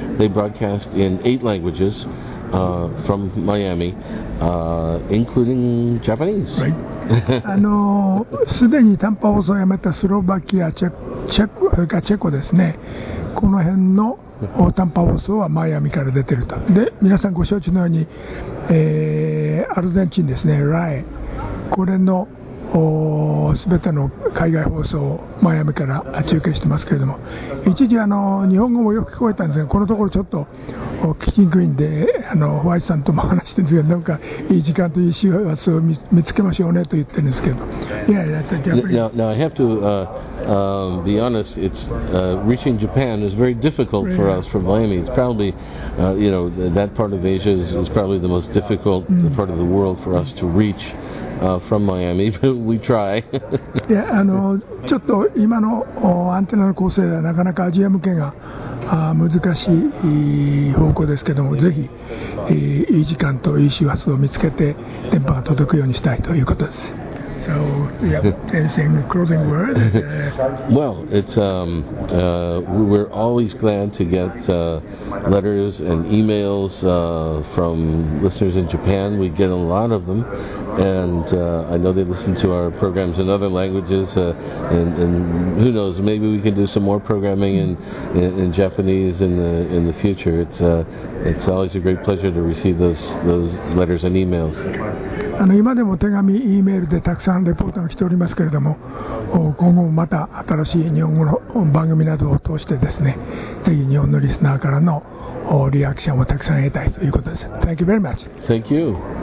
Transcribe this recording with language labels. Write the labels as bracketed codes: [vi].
[en] They broadcast in 8 languages from Miami, including Japanese. Right. [ja] あの、すでに短波放送をやめたスロバキア、チェコですね。この辺の短波放送はマイアミから出てると。で、皆さんご承知のように、アルゼンチンですね、RAI、これの全ての海外放送をマイアミから中継してますけれども、一時あの日本語もよく聞こえたんですが、このところちょっと聞きにくいんで、あのホワイトさんとも話してるんですが、なんかいい時間という週末を見つけましょうねと言ってるんですけど、 [en] Now I have to be honest, it's reaching Japan is very difficult for us from Miami. It's probably, you know, that part of Asia is probably the most difficult part of the world for us to reach from Miami. We try. [ja] Yeah, あのちょっと今のアンテナの構成ではなかなかアジア向けが難しい方向ですけども、ぜひいい時間といい周波数を見つけて電波が届くようにしたいということです。 [en] So, yeah, anything, closing word? Well, it's, we're always glad to get letters and emails from listeners in Japan. We get a lot of them, and I know they listen to our programs in other languages, and who knows, maybe we can do some more programming in Japanese in the future. It's always a great pleasure to receive those letters and emails. [ja] あの、今でも手紙、E メールでたくさんレポートが来ておりますけれども、今後もまた新しい日本語の番組などを通してですね、ぜひ日本のリスナーからのリアクションをたくさん得たいということです。 [en] Thank you very much. Thank you.